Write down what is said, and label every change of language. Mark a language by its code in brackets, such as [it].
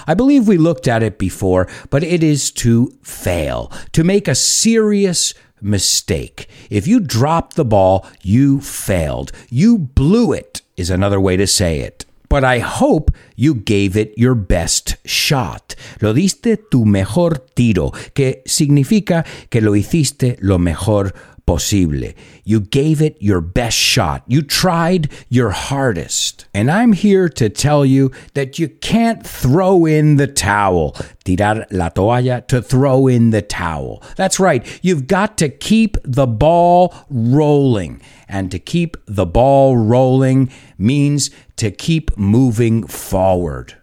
[en] I believe we looked at it before, but it is to fail, to make a serious mistake. If you drop the ball, you failed. You blew it is another way to say it. But I hope you gave it your best shot. [es] Lo diste tu mejor tiro, que significa que lo hiciste lo mejor posible. [en] You gave it your best shot. You tried your hardest. And I'm here to tell you that you can't throw in the towel. Tirar la toalla, to throw in the towel. That's right. You've got to keep the ball rolling. And to keep the ball rolling means to keep moving forward.